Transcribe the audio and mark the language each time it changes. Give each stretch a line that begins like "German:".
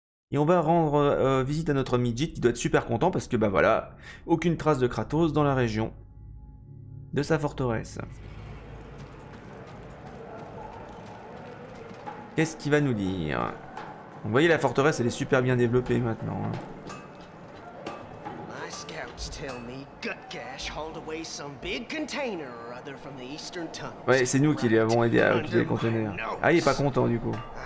French: Et on va rendre visite à notre ami Jit qui doit être super content parce que, bah voilà, aucune trace de Kratos dans la région de sa forteresse. Qu'est-ce qu'il va nous dire? Vous voyez, la forteresse, elle est super bien développée maintenant.
English: My scouts tell me Gutgash hauled away some big container or other from the eastern tunnel.
French: Ouais, c'est nous qui lui avons aidé à occuper le conteneur. Ah, il est pas content du coup.